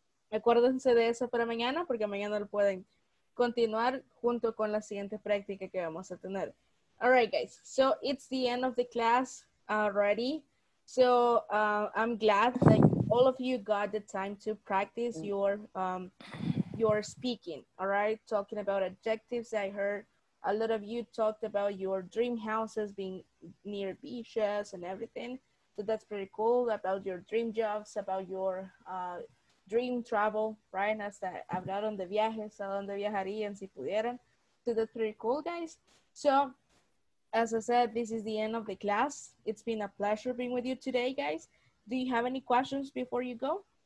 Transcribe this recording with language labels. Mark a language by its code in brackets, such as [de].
[es] Acuérdense de eso para mañana, porque mañana lo pueden continuar junto con la siguiente práctica que vamos a tener. [en] All right, guys. So, it's the end of the class already. So, I'm glad that all of you got the time to practice your speaking, all right? Talking about adjectives. I heard a lot of you talked about your dream houses being near beaches and everything. So, that's pretty cool about your dream jobs, about your dream travel, right? [es] Hasta hablaron de viajes, a donde viajarían si pudieran. [en] So that's pretty cool, guys. So, as I said, this is the end of the class. It's been a pleasure being with you today, guys. Do you have any questions before you go?